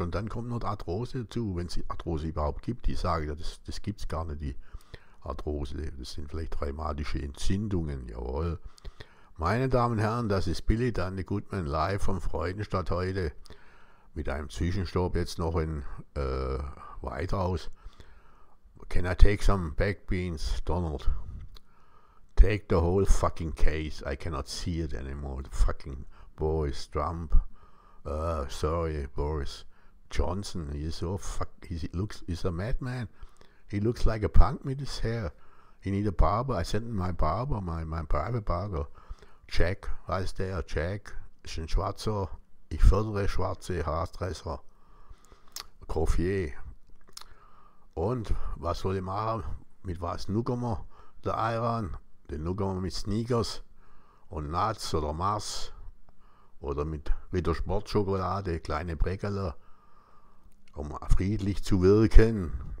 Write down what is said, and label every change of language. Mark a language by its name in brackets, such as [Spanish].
[German] Und dann kommt noch die Arthrose dazu, wenn es Arthrose überhaupt gibt. Die sagen ja, das gibt es gar nicht, die Arthrose. Das sind vielleicht rheumatische Entzündungen, jawohl. Meine Damen und Herren, das ist Billy Dandy Goodman live vom Freudenstadt heute. Mit einem Zwischenstopp jetzt noch in Weitraus. [English] Can I take some back beans, Donald? Take the whole fucking case. I cannot see it anymore. The fucking Boris Trump. Sorry, Boris Johnson. He's so fuck. He's a madman. He looks like a punk with his hair. He need a barber. I sent him my barber, my private barber. [German] Jack, heißt der, Jack, ist ein Schwarzer, ich fördere schwarze Haarstresser, Coiffier. Und was soll ich machen? Mit was nuckern wir? Der Iran, den nuckern wir mit Snickers und Nuts oder Mars oder mit Rittersportschokolade, kleine Bräckerle, um friedlich zu wirken.